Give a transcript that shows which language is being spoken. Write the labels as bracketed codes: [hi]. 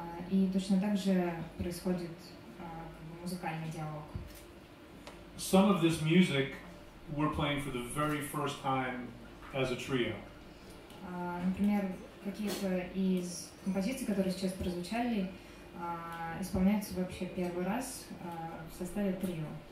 [ru] И точно так же происходит музыкальный диалог. [en] Some of this music we're playing for the very first time as a trio. [ru] Например, какие-то из композиций, которые сейчас прозвучали, исполняются вообще первый раз в составе трио.